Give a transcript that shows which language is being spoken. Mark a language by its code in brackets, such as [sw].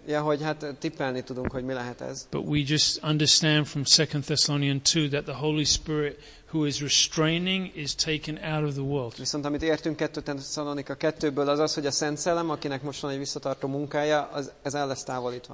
[hu] Ja, hogy hát tippelni tudunk, hogy mi lehet ez. [en] But we just understand from 2 Thessalonians 2 that the Holy Spirit who is restraining is taken out of the world. [hu] Viszont amit értünk 2 Thessalonika 2-ből az az, hogy a Szent Szellem, akinek most van egy visszatartó munkája, az ez el lesz távolítva.